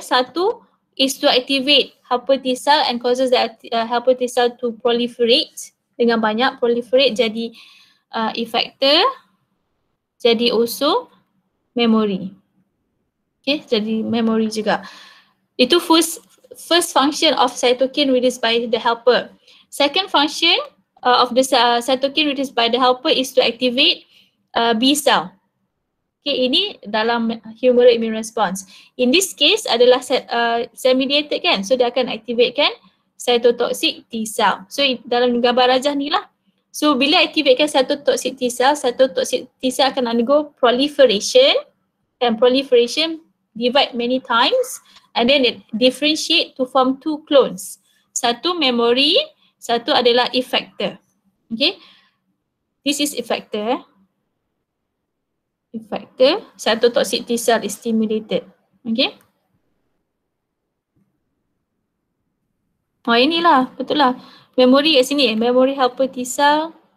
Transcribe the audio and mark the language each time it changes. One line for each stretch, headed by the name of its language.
English: Satu is to activate helper T cell and causes the helper T cell to proliferate,
Malay: dengan banyak
English: proliferate
Malay: jadi
English: effector, jadi also memory.
Malay: Okay, jadi memory juga. Itu
English: first function of cytokine released by the helper. Second function of the cytokine released by the helper is to activate B cell. Okay,
Malay: ini dalam
English: humoral immune response. In this case
Malay: adalah
English: cell mediated
Malay: kan?
English: So
Malay: dia akan
English: activate kan cytotoxic T cell. So
Malay: dalam gambar rajah ni lah.
English: So bila activate kan cytotoxic T cell, cytotoxic T cell
Malay: akan
English: undergo proliferation, and proliferation divide many times. And then it differentiate to form two clones.
Malay: Satu memory, satu adalah effector.
English: Okay. This is effector. Effector, cytotoxic T cell is stimulated.
Malay: Okay. Oh inilah, betul lah. Memory kat sini,
English: memory helper T cell.